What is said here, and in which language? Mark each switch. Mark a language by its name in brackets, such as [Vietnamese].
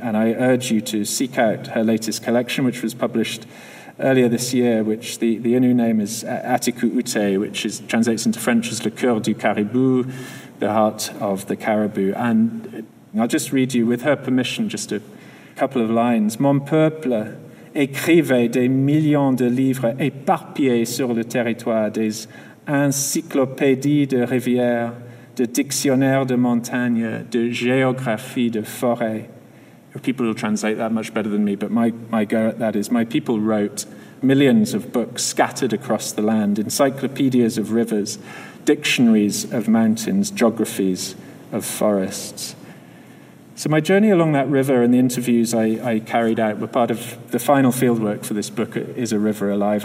[English] And I urge you to seek out her latest collection, which was published earlier this year, which the Innu name is Atiku Ute, which is, translates into French as [French] Le Cœur du Caribou, [English] the heart of the caribou. And I'll just read you, with her permission, just a couple of lines. [French] Mon peuple écrivait des millions de livres éparpillés sur le territoire, des encyclopédies de rivières, de dictionnaires de montagne, de géographie de forêt. [English] People will translate that much better than me, but my go at that is, my people wrote millions of books scattered across the land, encyclopedias of rivers, dictionaries of mountains, geographies of forests. So my journey along that river and the interviews I carried out were part of the final fieldwork for this book, Is a River Alive?